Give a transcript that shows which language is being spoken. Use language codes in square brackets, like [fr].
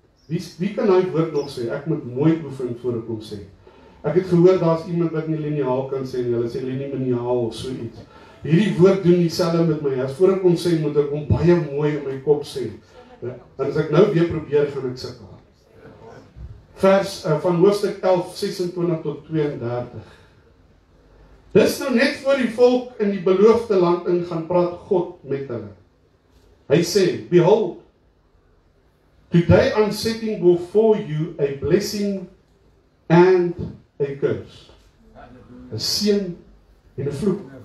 [af] Wie kan daai woord nog sê? Ek moet mooi oefen voor ek hom sê. Ek het gehoor daar's iemand wat nie liniaal kan sê nie. Hulle sê liniaal of so iets. Hierdie woord doen dieselfde met my. As voor ek hom sê, moet ek hom baie mooi in my kop sê. En as ek nou weer probeer, gaan ek sukkel. Vers van hoofstuk 11, 26 tot 32. Dis nou net voor die volk in die beloofde land ingaan, praat God met hulle. Hy sê, [en] behold, today I'm setting before you a blessing and a curse. [af] 'N seën en 'n vloek.